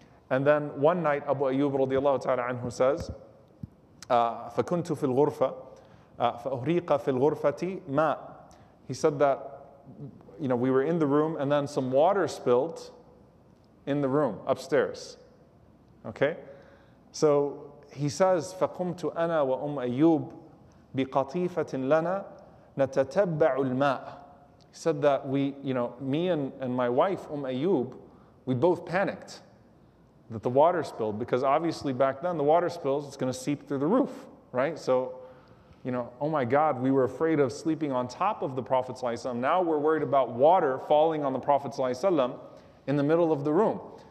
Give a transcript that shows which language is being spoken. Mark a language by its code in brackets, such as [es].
[en] And then one night, Abu Ayyub radiallahu ta'ala anhu says, [ar] فَكُنْتُ فِي الْغُرْفَةِ فَأُهْرِيقَ فِي الْغُرْفَةِ مَا. [en] He said that, you know, we were in the room and then some water spilled in the room upstairs. Okay? So he says, [ar] فَقُمْتُ أَنَا وَأُمْ أَيُّوب بِقَطِيفَةٍ لَنَا نَتَتَبَّعُ الْمَاءِ. [en] He said that we, you know, me and my wife, Ayyub, we both panicked that the water spilled, because obviously back then the water spills, it's going to seep through the roof, right? So, you know, oh my God, we were afraid of sleeping on top of the Prophet ﷺ. Now we're worried about water falling on the Prophet ﷺ in the middle of the room.